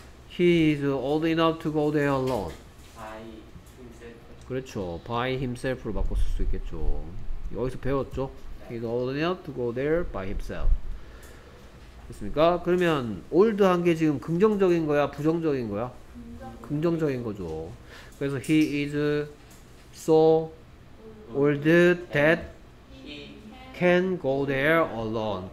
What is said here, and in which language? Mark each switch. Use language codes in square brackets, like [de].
[en] He is old enough to go there alone. By himself. [ko] 그렇죠. [en] By himself [ko] 로 바꿨을 수 있겠죠. 여기서 배웠죠? [en] He is old enough to go there by himself. [ko] 됐습니까? 그러면, old 한 게 지금 긍정적인 거야, 부정적인 거야? 긍정적인 거죠. 그래서 [en] he is so old that can go there alone.